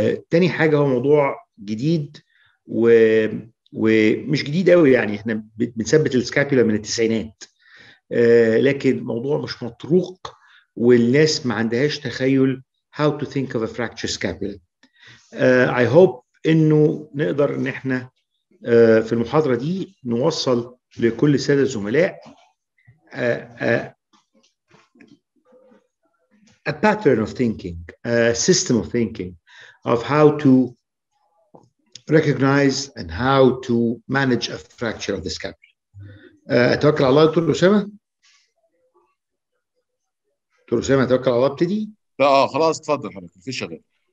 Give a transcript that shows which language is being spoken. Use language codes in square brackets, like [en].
[ar] تاني حاجة، هو موضوع جديد ومش جديد قوي، يعني احنا بنثبت السكابيولا من التسعينات، لكن موضوع مش مطروق والناس ما عندهاش تخيل [en] how to think of a fractured scapula. I hope [ar] انه نقدر ان احنا في المحاضرة دي نوصل لكل السادة الزملاء [en] a pattern of thinking, a system of thinking of how to recognize and how to manage a fracture of the scapula. [ar] أتوكل على الله. دكتور أسامة، دكتور أسامة أتوكل على الله ابتدي؟ لا خلاص تفضل حضرتك، مفيش شغل.